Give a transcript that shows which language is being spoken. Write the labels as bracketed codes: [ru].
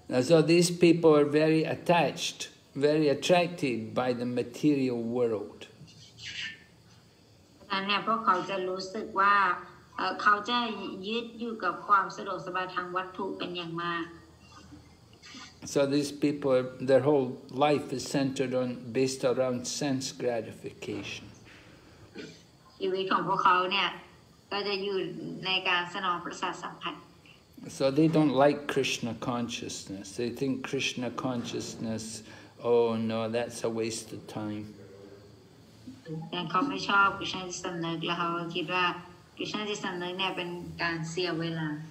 [en] So these people are very attached, very attracted by the material world. [th] เนี่ยพวกเขาจะรู้สึกว่าเขาจะยึดอยู่กับความสะดวกสบายทางวัตถุเป็นอย่างมาก [en] So these people their whole life is centered on based around sense gratification [th] ชีวิตของพวกเขาเนี่ยก็จะอยู่ในการสนองประสาทสัมผัส [en] So they don't like Krishna consciousness they think Krishna consciousness oh no that's a waste of time [th] แต่เขาไม่ชอบกิจการสำนึกแล้วเขาคิดว่ากิจการสำนึกเนี่ยเป็นการเสียเวลา